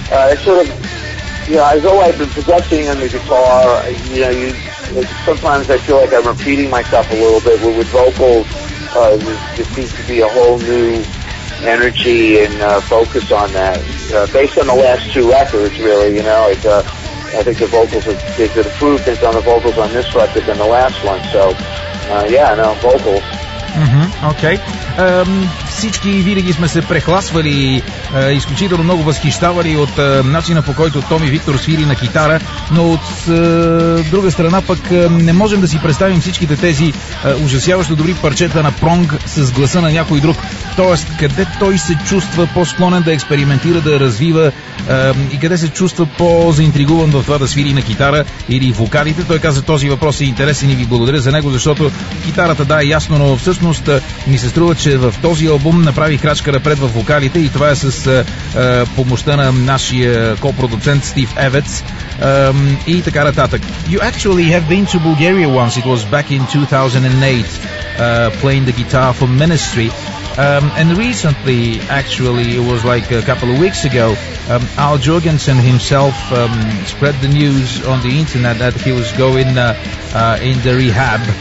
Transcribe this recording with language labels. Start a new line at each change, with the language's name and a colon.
English: It's sort of, you know, as though I've been progressing on the guitar, you know, sometimes I feel like I'm repeating myself a little bit, but with vocals, there seems to be a whole new energy and focus on that. Based on the last two records, really, you know, it's I think the vocals have improved. They've done the vocals on this record than the last one. So, yeah, no, vocals. Mm-hmm. Okay.
Bulgarian: Всички винаги сме се прехласвали, изключително много възхищавали от начина, по който Томи Виктор свири на китара, но от друга страна пък не можем да си представим всичките тези ужасяващо добри парчета на Прong с гласа на някой друг. Тоест, къде той се чувства по-склонен да експериментира, да развива и къде се чувства по-заинтригуван в това да свири на китара или вокалите? Той каза, този въпрос е интересен и ви благодаря за него, защото китарата, да, е ясно, но всъщност ми се струва, че в този албум направи крачка напред в вокалите, и това е с помощта на нашия ко-продуцент Стив Евец и така нататък.
English: You actually have been to Bulgaria once. It was back in 2008, playing the guitar for Ministry. And recently, actually, it was like a couple of weeks ago, Al Jorgensen himself spread the news on the internet that he was going in the rehab.